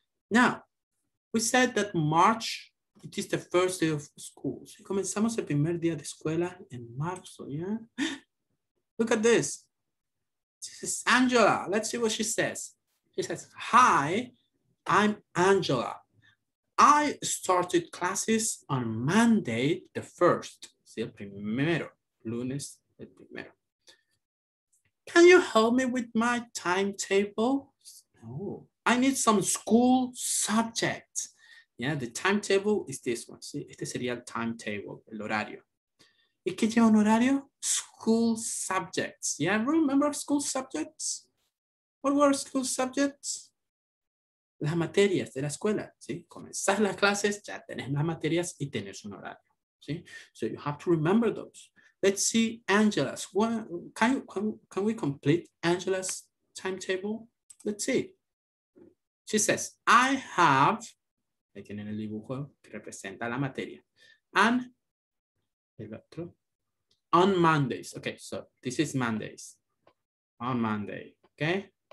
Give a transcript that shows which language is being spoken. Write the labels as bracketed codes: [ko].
[en] Now, we said that March, it is the first day of school. [es] Si comenzamos el primer día de escuela en marzo, yeah? [en] Look at this. This is Angela. Let's see what she says. She says, hi, I'm Angela. I started classes on Monday, the first. [es] Si, el primero. Lunes, el primero. [en] Can you help me with my timetable? No. I need some school subjects. Yeah, the timetable is this one. [es] See, este sería el timetable, el horario. ¿Y qué lleva un horario? [en] School subjects. Yeah, remember school subjects? What were school subjects? [es] Las materias de la escuela. ¿Sí? Comenzar las clases, ya tenés las materias y tenés un horario. [en] ¿Sí? So you have to remember those. Let's see Angela's. Can we complete Angela's timetable? Let's see. She says, I have, [es] ahí tienen el dibujo que representa la materia. [en] And [es] el otro, [en] on Mondays. Okay, so this is Mondays. On Monday, okay?